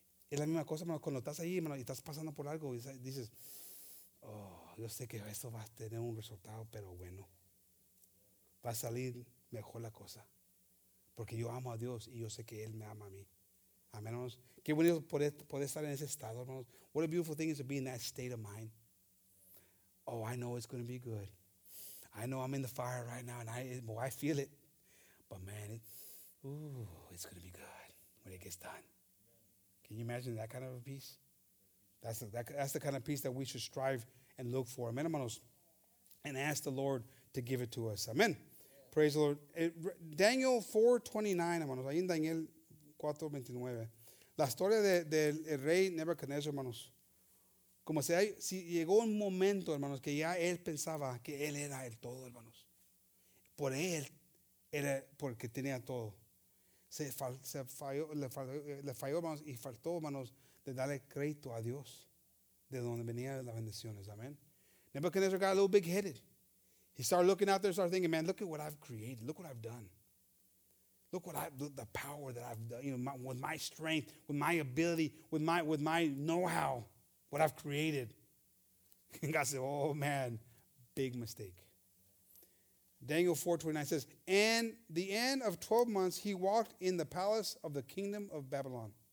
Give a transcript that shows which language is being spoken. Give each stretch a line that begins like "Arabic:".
Spanish: Es la misma cosa, hermanos. Cuando estás ahí, hermanos, y estás pasando por algo, y dices, yo sé que esto va a tener un resultado, pero bueno. Va a salir mejor la cosa. Porque yo amo a Dios y yo sé que Él me ama a mí. Amén, hermanos. Qué bonito poder estar en ese estado, hermanos.
English: What a beautiful thing is to be in that state of mind. Oh, I know it's going to be good. I know I'm in the fire right now, and I feel it. But, man, it's going to be good when it gets done. Can you imagine that kind of a peace? That's the kind of peace that we should strive and look for.
Spanish: Amén, hermanos.
English: And ask the Lord to give it to us. Amén. Yeah. Praise the Lord. Daniel 4:29, hermanos.
Spanish: Ahí en Daniel 4:29. La historia del rey Nebuchadnezzar, hermanos. Como sea, si llegó un momento, hermanos, que ya él pensaba que él era el todo, hermanos. Por él era porque tenía todo. Se falló, hermanos, y faltó, hermanos, de darle crédito a Dios de donde venían las bendiciones.
English: Amén. Nebuchadnezzar got a little big-headed. He started looking out there, started thinking, man, look at what I've created. Look what I've done. Look what the power that I've done, you know, with my strength, with my ability, with my know-how, what I've created. And God said, oh, man, big mistake. Daniel 4:29 says, and the end of 12 months, he walked in the palace of the kingdom of Babylon.